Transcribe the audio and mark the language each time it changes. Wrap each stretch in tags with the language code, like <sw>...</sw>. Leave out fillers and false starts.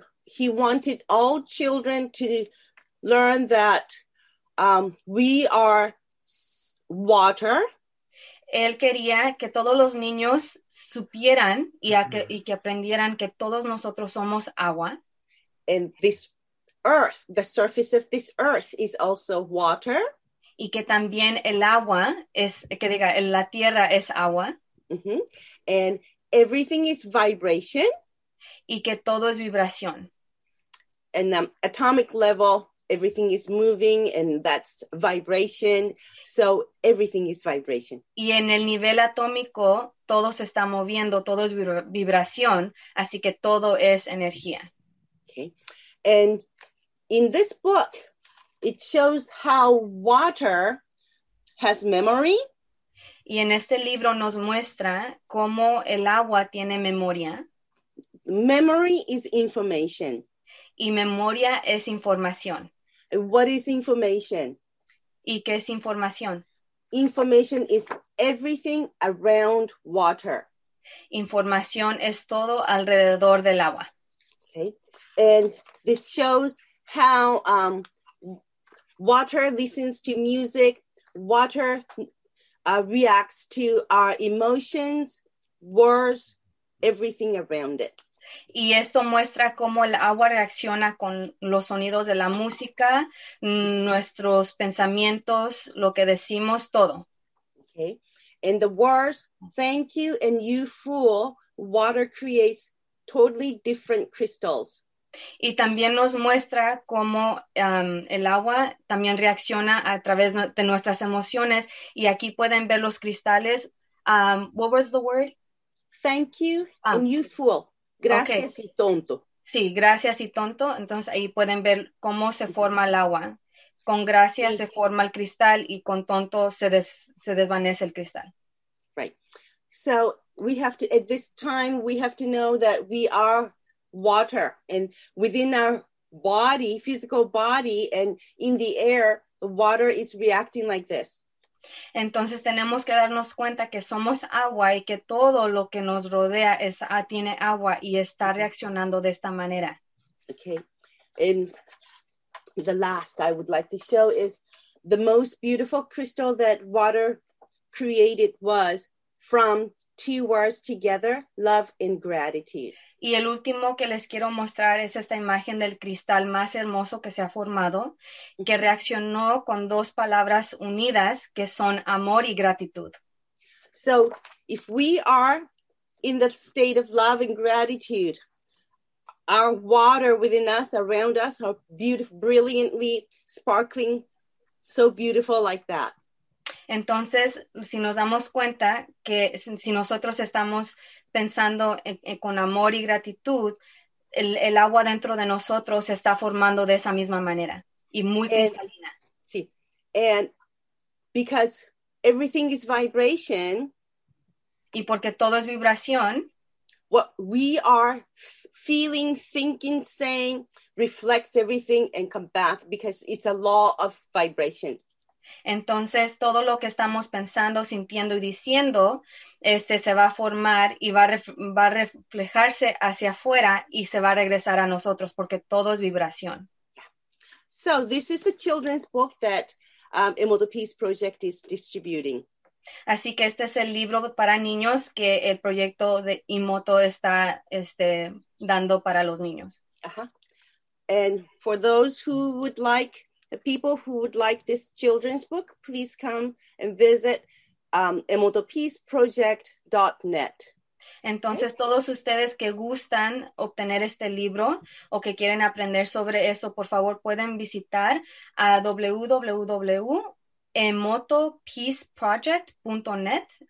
<en>He wanted all children to learn that we are water.</en> <es>Él quería que todos los niños supieran y que aprendieran que todos nosotros somos agua.</es> <en>And this earth, the surface of this earth is also water.</en> <es>Y que también el agua es, que diga, la tierra es agua. Mm-hmm.</es> <en>And everything is vibration.</en> <es>Y que todo es vibración.</es> <en>And atomic level, everything is moving and that's vibration. So everything is vibration.</en> <es>Y en el nivel atómico, todo se está moviendo, todo es vibración, así que todo es energía.</es> <en>Okay. And in this book, it shows how water has memory.</en> <es>Y en este libro nos muestra cómo el agua tiene memoria.</es> <en>Memory is information.</en> <es>Y memoria es información.</es> <en>What is information?</en> <es>¿Y qué es información?</es> <en>Information is everything around water.</en> <es>Información es todo alrededor del agua.</es> <en>Okay. And this shows how water listens to music, water reacts to our emotions, words, everything around it.</en> <es>Y esto muestra cómo el agua reacciona con los sonidos de la música, nuestros pensamientos, lo que decimos, todo.</es> <en>Okay. And the words, thank you and you fool, water creates totally different crystals.</en> <es>Y también nos muestra cómo el agua también reacciona a través de nuestras emociones. Y aquí pueden ver los cristales.</es> <en>What was the word? Thank you and you fool.</en> <es>Gracias</es> <en>okay.</en> <es>Y tonto. Sí, gracias y tonto. Entonces ahí pueden ver cómo se forma el agua. Con gracias sí. Se forma el cristal y con tonto se desvanece el cristal.</es> <en>Right. So we have to, at this time, we have to know that we are water. And within our body, physical body, and in the air, the water is reacting like this.</en> <es>Entonces tenemos que darnos cuenta que somos agua y que todo lo que nos rodea es tiene agua y está reaccionando de esta manera.</es> <en>Okay. And the last I would like to show is the most beautiful crystal that water created was from two words together, love and gratitude.</en> <es>Y el último que les quiero mostrar es esta imagen del cristal más hermoso que se ha formado, que reaccionó con dos palabras unidas, que son amor y gratitud.</es> <en>So, if we are in the state of love and gratitude, our water within us, around us, are beautiful, brilliantly sparkling, so beautiful like that.</en> <es>Entonces, si nos damos cuenta que si nosotros estamos pensando con amor y gratitud, el agua dentro de nosotros se está formando de esa misma manera y muy cristalina. Sí.</es> <en>And because everything is vibration.</en> <es>Y porque todo es vibración.</es> <en>What we are feeling, thinking, saying reflects everything and come back because it's a law of vibration.</en> <es>Entonces, todo lo que estamos pensando, sintiendo y diciendo, se va a formar y va a reflejarse hacia afuera y se va a regresar a nosotros, porque todo es vibración.</es> <en>Yeah. So, this is the children's book that Emerald Peace Project is distributing.</en> <es>Así que este es el libro para niños que el proyecto de Emoto está dando para los niños. Uh-huh.</es> <en>And for those who would like, the people who would like this children's book, please come and visit emotopeaceproject.net.</en> <es>Entonces, okay. Todos ustedes que gustan obtener este libro o que quieren aprender sobre esto, por favor, pueden visitar a www.emotopeaceproject.net.</es>